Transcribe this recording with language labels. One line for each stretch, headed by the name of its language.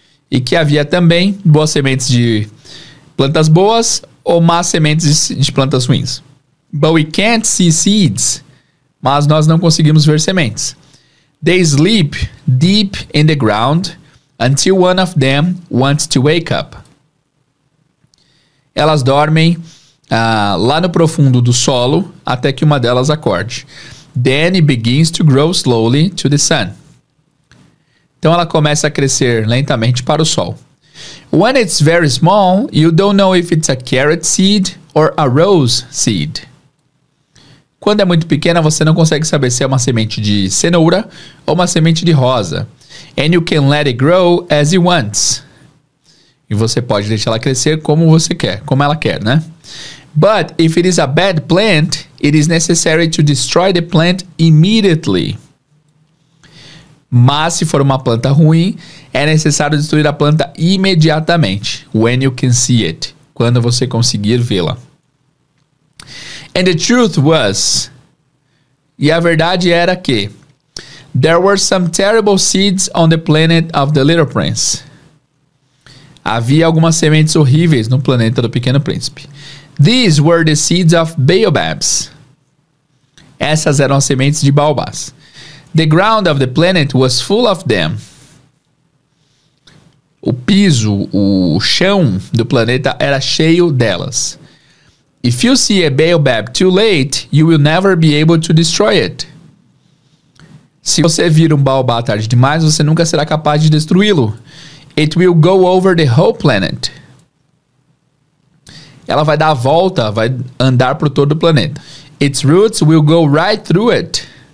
Portuguese: E que havia também boas sementes de plantas boas ou más sementes de plantas ruins.
English: But we can't see seeds.
Portuguese: Mas nós não conseguimos ver sementes.
English: They sleep deep in the ground until one of them wants to wake up.
Portuguese: Elas dormem lá no profundo do solo até que uma delas acorde.
English: Then it begins to grow slowly to the sun.
Portuguese: Então ela começa a crescer lentamente para o sol.
English: When it's very small, you don't know if it's a carrot seed or a rose seed.
Portuguese: Quando é muito pequena, você não consegue saber se é uma semente de cenoura ou uma semente de rosa.
English: And you can let it grow as it wants.
Portuguese: E você pode deixar ela crescer como você quer, como ela quer, né?
English: But if it is a bad plant, it is necessary to destroy the plant immediately.
Portuguese: Mas se for uma planta ruim, é necessário destruir a planta imediatamente.
English: When you can see it.
Portuguese: Quando você conseguir vê-la.
English: And the truth was...
Portuguese: E a verdade era que...
English: There were some terrible seeds on the planet of the Little Prince.
Portuguese: Havia algumas sementes horríveis no planeta do Pequeno Príncipe.
English: These were the seeds of baobabs.
Portuguese: Essas eram as sementes de baobás.
English: The ground of the planet was full of them.
Portuguese: O piso, o chão do planeta era cheio delas.
English: If you see a baobab too late, you will never be able to destroy it.
Portuguese: Se você vir um baobá tarde demais, você nunca será capaz de destruí-lo.
English: It will go over the whole planet.
Portuguese: Ela vai dar a volta, vai andar por todo o planeta.
English: Its roots will go right through it.